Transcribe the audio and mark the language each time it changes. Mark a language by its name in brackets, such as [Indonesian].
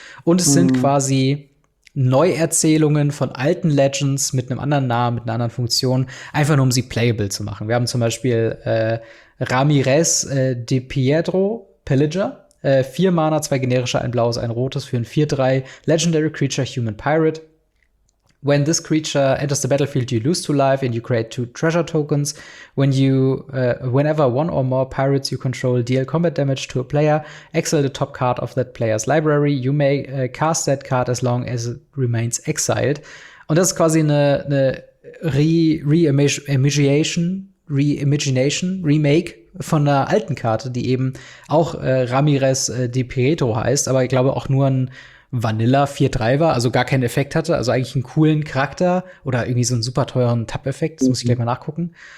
[German] Und es sind quasi Neuerzählungen von alten Legends mit einem anderen Namen, mit einer anderen Funktion, einfach nur um sie playable zu machen. Wir haben zum Beispiel Ramirez de Pietro Pillager, 4 Mana, 2 generische, 1 blaues, 1 rotes für ein 4-3 Legendary Creature Human Pirate. [English] When this creature enters the battlefield, you lose 2 life and you create 2 treasure tokens. Whenever one or more pirates you control deal combat damage to a player, exile the top card of that player's library. You may cast that card as long as it remains exiled. [German] Und das ist quasi eine Re-Imagination, Remake, von der alten Karte, die eben auch Ramirez de Pietro heißt, aber ich glaube auch nur ein Vanilla 4-3 war, also gar keinen Effekt hatte, also eigentlich einen coolen Charakter oder irgendwie so einen super teuren Tap-Effekt, das muss ich gleich mal nachgucken.